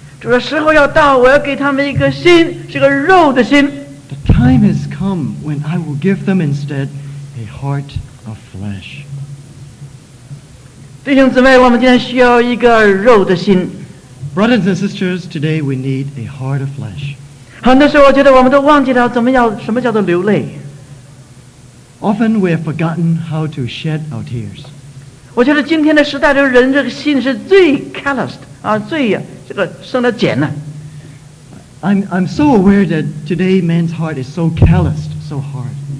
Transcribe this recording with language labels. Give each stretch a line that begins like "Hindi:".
Chinese: 主说时候要到, 我要给他们一个心, 是个肉的心,
English: the time has come when I will give them instead a heart of flesh.
Chinese: 弟兄姊妹,
English: brothers and sisters, today we need a heart of flesh.
Chinese: 很多时候我觉得我们都忘记了怎么叫什么叫做流泪。
English: Often we have forgotten how to shed our tears.
Chinese: 我觉得今天的时代的人这个心是最calloused,最这个生的茧啊。
English: I'm so aware that today man's heart is so calloused, so hard.